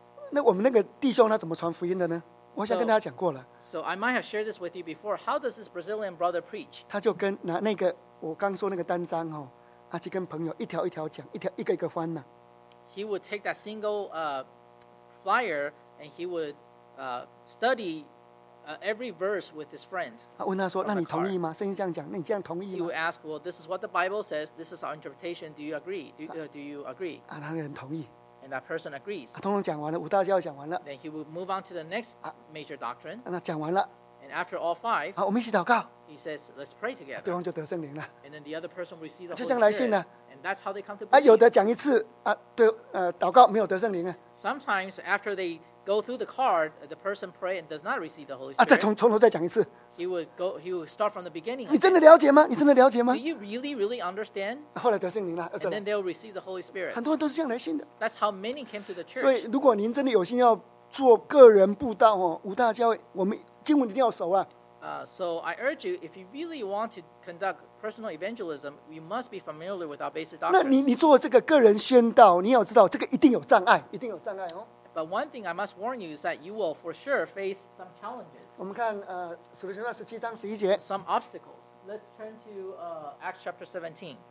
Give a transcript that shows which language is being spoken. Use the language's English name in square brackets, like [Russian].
[Chinese] 那我们那个弟兄他怎么传福音的呢？我想跟大家讲过了。 [English] So I might have shared this with you before. How does this Brazilian brother preach? [Chinese] 他就跟拿那个我刚说那个单张哦。他去跟朋友一条一条讲，一个一个翻呢、啊。 [English] He would take that single flyer and he would study every verse with his friend. [Chinese] 他问他说：“那你同意吗？圣经这样讲，那你这样同意吗？” [English] He would ask, "Well, this is what the Bible says. This is our interpretation. Do you agree? Do you agree?" [Chinese] 那个人同意。 [English] And that person agrees. [Chinese] 通通讲完了，五大教讲完了。 [English] Then he would move on to the next major doctrine. [Chinese] 那讲完了。 [English] And after all five, [Chinese] 好，我们一起祷告。 [English] He says, "Let's pray together." [Chinese] 对方就得圣灵了。 [English] And then the other person receives the Holy Spirit. [Chinese] 就这样来信了。 [English] And that's how they come to. [Chinese] 有的讲一次啊，对，祷告没有得圣灵啊。 [English] Sometimes after they go through the card, the person pray and does not receive the Holy Spirit. [Chinese] 再从头再讲一次。 [English] He would start from the beginning. [Chinese] 你真的了解吗？你真的了解吗 [English] ？Do you really, really understand? [Chinese] 后来得圣灵了。 [English] And then they'll receive the Holy Spirit. [Chinese] 很多人都是这样来信的。 [English] That's how many came to the church. [Chinese] 所以，如果您真的有心要做个人布道哦，五大教会我们。经文一定要熟啊！ [English] So I urge you, if you really want to conduct personal evangelism, you must be familiar with our basic doctrines. [Chinese] 那你做这个个人宣道，你要知道这个一定有障碍，一定有障碍哦。 [English] But one thing I must warn you is that you will for sure face some challenges. [Chinese] 我们看使徒行传十七章十一节。 [English] Some obstacles. Let's turn to Acts chapter 17.